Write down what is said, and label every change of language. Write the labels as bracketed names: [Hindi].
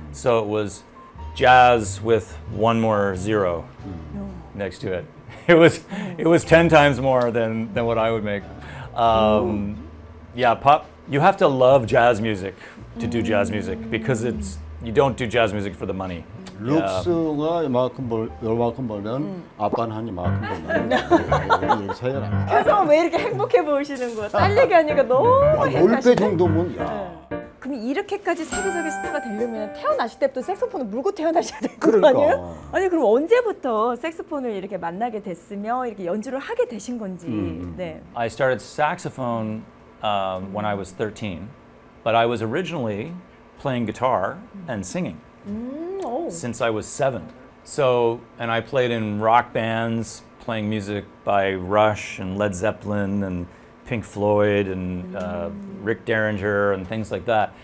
[English] So it was jazz with one more zero next to it. It was 10 times more than what I would make. Yeah, pop, you have to love jazz music to do jazz music because it's, you don't do jazz music for the money. [Korean] 룩스가 이만큼 얼마큼 벌면 아빠는 한 이만큼 벌면 차이가 나. 그래서 왜 이렇게 행복해 보이시는 거야? 딸 얘기하니까 너무 행복하시네. 올빼 정도면 야. 그럼 이렇게까지 세계적인 스타가 되려면 태어나실 때부터 색소폰을 물고 태어나셔야 될 거 아니에요? 아니 그럼 언제부터 색소폰을 이렇게 만나게 됐으며 이렇게 연주를 하게 되신 건지. [English] I started saxophone when I was 13, but I was originally playing guitar and singing. Since I was 7. So, and I played in rock bands, playing music by Rush and Led Zeppelin and Pink Floyd and Rick Derringer and things like that.